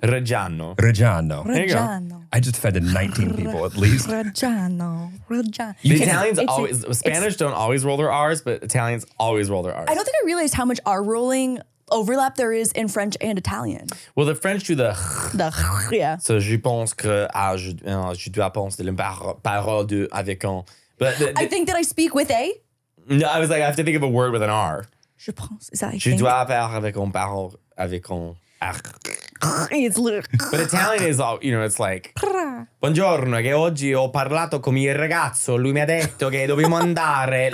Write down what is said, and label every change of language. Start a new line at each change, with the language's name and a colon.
Italian: Reggiano. Reggiano. Reggiano.
English: I just offended 19 people at least.
Italian: Reggiano. Reggiano.
English: Spanish don't always roll their R's, but Italians always roll their R's. I don't think I realized how much R rolling overlap there is in French and Italian. Well, the French do the yeah.
French: So je pense que je dois penser la parole de avec un.
English: But I think that I speak with a. No, I was like, I have to think of a word with an R.
French: Je pense.
English: Is that
French: je dois parler avec un parole. Avec un
English: it's but Italian is all, you know, it's like,
Italian: buongiorno, che oggi ho parlato con mio ragazzo, lui mi ha detto che dobbiamo andare.